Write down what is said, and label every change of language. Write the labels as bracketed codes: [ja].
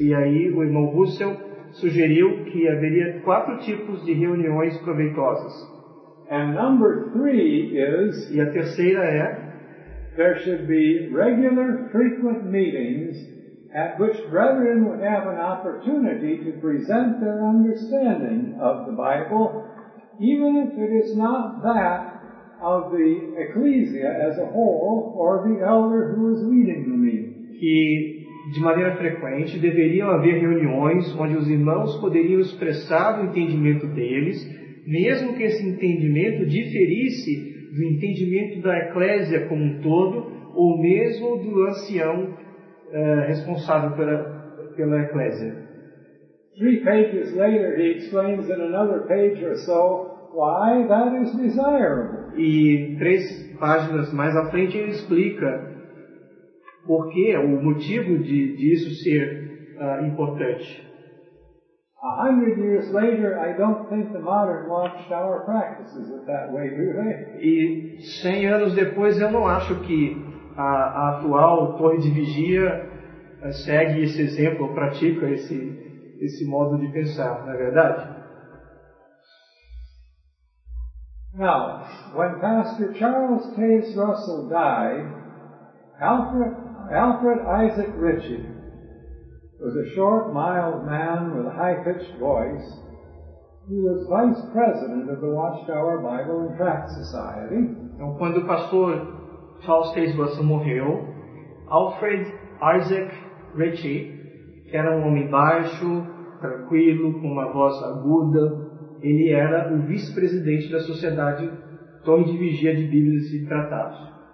[pt] E aí o irmão Russell sugeriu que haveria 4 tipos de reuniões proveitosas. [en] And number 3 is... [pt] E a terceira é... [en] There should be regular, frequent meetings at which brethren would have an opportunity to present their understanding of the Bible, even if it is not that of the ecclesia as a whole or the elder who is leading the meeting. [pt] Que, de maneira frequente, deveriam haver reuniões onde os irmãos poderiam expressar o entendimento deles, mesmo que esse entendimento diferisse do entendimento da eclésia como um todo, ou mesmo do ancião responsável pela eclésia. [en] Three pages later, he explains in another page or so why that is desirable. [pt] E três páginas mais à frente ele explica por que o motivo disso ser importante. [en] 100 years later, I don't think the modern watch tower practices it that way, do they? [pt] E 100 anos depois eu não acho que a atual torre de vigia segue esse exemplo, pratica esse modo de pensar, não é verdade? [en] Now, when Pastor Charles Taze Russell died, Alfred Isaac Ritchie was a short, mild man with a high-pitched voice. He was vice president of the Watchtower Bible and Tract Society. [pt] Então, quando o pastor Charles Taze Russell morreu, Alfred Isaac Ritchie, que era um homem baixo, tranquilo, com uma voz aguda, ele era o vice-presidente da Sociedade Torre de Vigia de Bíblias e Tratados.